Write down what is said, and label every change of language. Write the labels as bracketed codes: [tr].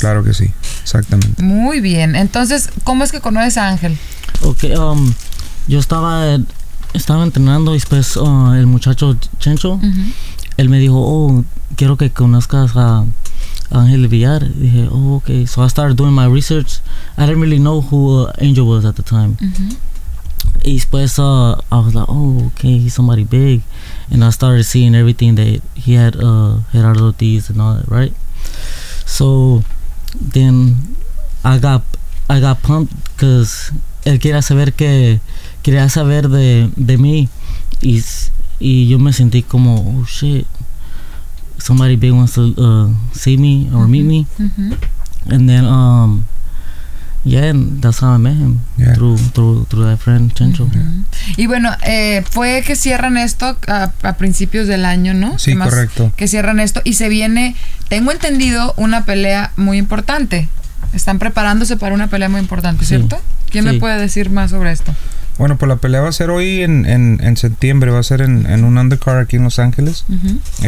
[es] Claro que sí, exactamente. Muy bien. Entonces, ¿cómo es que conoces a Ángel? Ok, yo estaba... Estaba entrenando y después el muchacho Chencho, uh-huh, él me dijo, oh, quiero que conozcas a Ángel Villar. Y dije, [en] oh, okay. So I started doing my research. I didn't really know who Angel was at the time. Uh-huh. [es] Y después [en] I was like, oh, okay, he's somebody big. And I started seeing everything that he had, Gerardo Ortiz and all that, right? So then I got pumped because [es] él quería saber que quería saber de mí y yo me sentí como [en] oh shit, somebody big wants to see me or mm-hmm. meet me [es] mm-hmm. [en] and then yeah, and that's how I met him yeah. through that friend Chencho. Mm-hmm. Yeah. [es] Y bueno, fue que cierran esto a principios del año, ¿no? Sí, además, correcto. Que cierran esto y se viene, tengo entendido, una pelea muy importante. Están preparándose para una pelea muy importante, ¿cierto? Sí. ¿Quién sí. me puede decir más sobre esto? Bueno, pues la pelea va a ser hoy en septiembre, va a ser en un undercard aquí en Los Ángeles. Uh-huh.